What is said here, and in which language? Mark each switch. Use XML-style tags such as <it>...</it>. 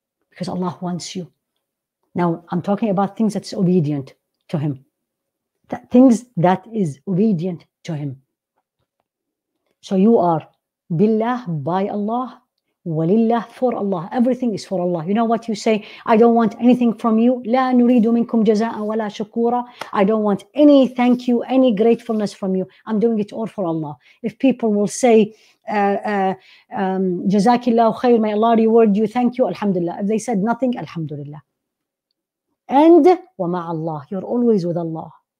<en>Because Allah wants you. Now, I'm talking about things that's obedient to him. Things that is obedient to him. So you are billah, by Allah,</en> <ar>ولله,</ar> <en>for Allah. Everything is for Allah. You know what you say? I don't want anything from you.</en> <ar>لا نريد منكم جزاء ولا شكورا.</ar> <en>I don't want any thank you, any gratefulness from you. I'm doing it all for Allah. If people will say,</en> <ar>جزاك الله خير,</ar> <en>may Allah reward you, thank you, alhamdulillah. If they said nothing, alhamdulillah. And</en> <ar>ومع الله,</ar> <en>you're always with Allah.</en>